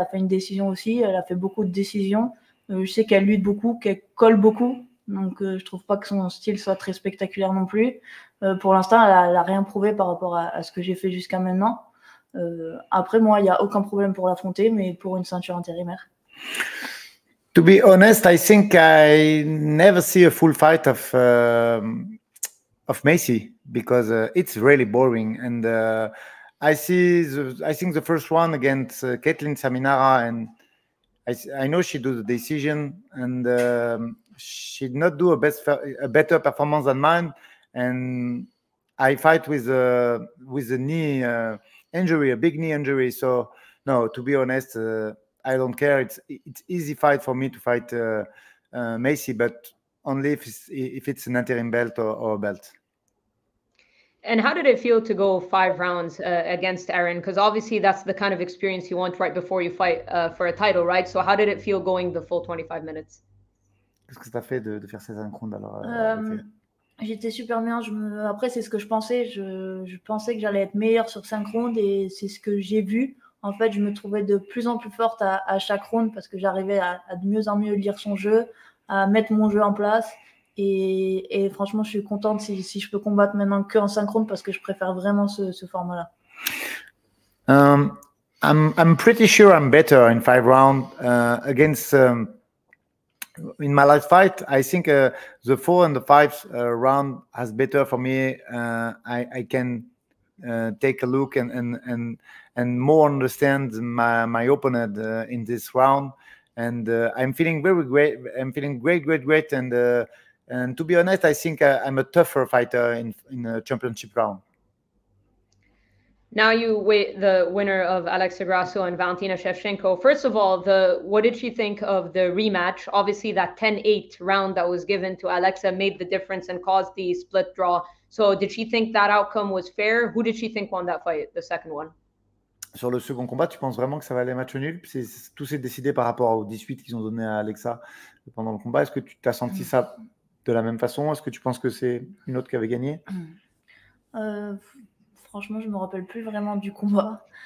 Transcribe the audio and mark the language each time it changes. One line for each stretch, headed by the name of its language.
French: Elle a fait une décision aussi, elle a fait beaucoup de décisions. Je sais qu'elle lutte beaucoup, qu'elle colle beaucoup, donc je ne trouve pas que son style soit très spectaculaire non plus. Pour l'instant, elle n'a rien prouvé par rapport à ce que j'ai fait jusqu'à maintenant. Après moi, il y a aucun problème pour l'affronter, mais pour une ceinture intérimaire.
English: To be honest, I think I never see a full fight of Macy because it's really boring. And I think the first one against Caitlin Serminara, and I know she do the decision, and she did not do a better performance than mine. And I fight with a knee. Injury, a big knee injury. So, no, to be honest, I don't care. It's easy fight for me to fight Macy, but only if it's an interim belt or a belt. And how did it feel to go 5 rounds against Erin? Because obviously that's the kind of experience you want right before you fight for a title, right? So how did it feel going the full 25 minutes?
French: Qu'est-ce que ça fait de faire ces rounds alors? J'étais super bien. Après, c'est ce que je pensais. Je pensais que j'allais être meilleure sur 5 rounds et c'est ce que j'ai vu. En fait, je me trouvais de plus en plus forte à chaque round parce que j'arrivais à de mieux en mieux lire son jeu, à mettre mon jeu en place. Et franchement, je suis contente si je peux combattre maintenant qu'en 5 rounds parce que je préfère vraiment ce format-là.
English: I'm pretty sure I'm better in five rounds against. In my last fight, I think the four and the five round has better for me. I can take a look and more understand my opponent in this round, and I'm feeling very great. I'm feeling great, and to be honest, I think I'm a tougher fighter in the championship round. Now you wait the winner of Alexa Grasso and Valentina Shevchenko. First of all, what did she think of the rematch? Obviously, that 10-8 round that was given to Alexa made the difference and caused the split draw. So did she think that outcome was fair? Who did she think won that fight, the second one?
French: Sur le second combat, tu penses vraiment que ça va aller match nul? Tout s'est décidé par rapport aux 18 qu'ils ont donné à Alexa pendant le combat. Est-ce que tu t'as senti ça de la même façon? Est-ce que tu penses que c'est une autre qui avait gagné? Franchement, je ne me rappelle plus vraiment du combat.